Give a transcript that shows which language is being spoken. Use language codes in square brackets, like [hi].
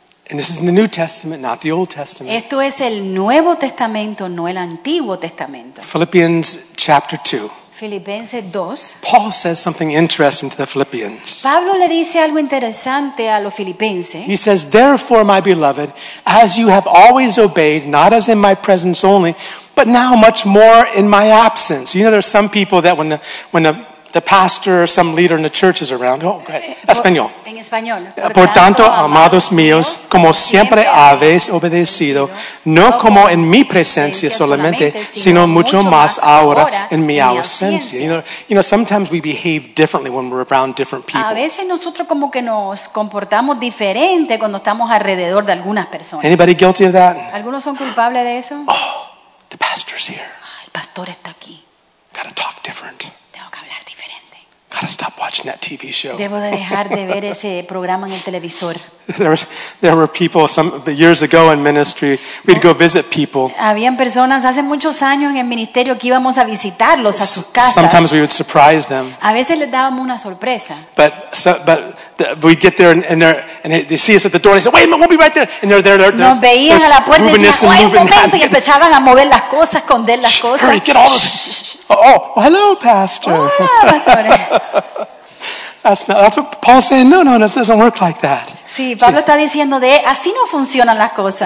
[en] And this is in the New Testament, not the Old Testament. [es] Esto es el Nuevo Testamento, no el Antiguo Testamento. [en] Philippians chapter 2. [es] Filipenses 2. [en] Paul says something interesting to the Philippians. [es] Pablo le dice algo interesante a los filipenses. [en] He says, "Therefore, my beloved, as you have always obeyed, not as in my presence only, but now much more in my absence." You know, there's some people that when the pastor or some leader in the church is around. Oh, great. Español. [es] En español. Por tanto, amados míos, como siempre habéis obedecido, no como en mi presencia solamente, sino mucho más ahora en mi ausencia. [en] You know, sometimes we behave differently when we're around different people. [es] A veces nosotros como que nos comportamos diferente cuando estamos alrededor de algunas personas. [en] Anybody guilty of that? [es] ¿Algunos son culpables de eso? [en] Oh, the pastor's here. [es] El pastor está aquí. [en] Gotta talk different. [es] Tengo que hablar. [en] Gotta stop watching that TV show. [es] Debo de dejar de ver ese programa en el televisor. [en] There were people some years ago in ministry. We'd go visit people. [es] Habían personas hace muchos años en el ministerio que íbamos a visitarlos a sus casas. [en] Sometimes we would surprise them. [es] A veces les dábamos una sorpresa. [en] But we get there and they see us at the door. And they say, "Wait a minute, we'll be right there." And they're [es] nos veían a la puerta y decían, [en] "Wait a minute." [es] Y empezaban a mover las cosas, esconder las cosas. [en] Hurry, get all those. Oh, hello, pastor. [es] Hola, pastor. [en] That's what Paul's saying. No, it doesn't work like that. [es] Sí, Pablo está diciendo de así no funcionan las cosas.